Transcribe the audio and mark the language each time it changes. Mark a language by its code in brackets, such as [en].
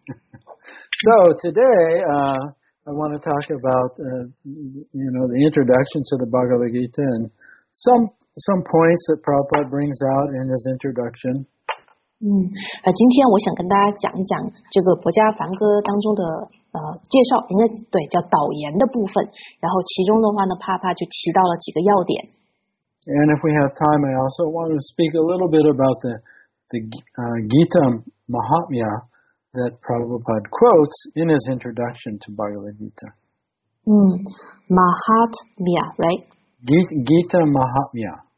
[en] So today, I want to talk about the introduction to the Bhagavad Gita and some points that Prabhupada brings out in his introduction. [zh] 今天我想跟大家讲一讲这个博伽梵歌当中的介绍，应该对叫导言的部分。然后其中的话呢，帕帕就提到了几个要点。 [en] And if we have time, I also want to speak a little bit about Gita Mahatmya that Prabhupada quotes in his introduction to Bhagavad Gita. Mahatmya, right? Gita Mahatmya.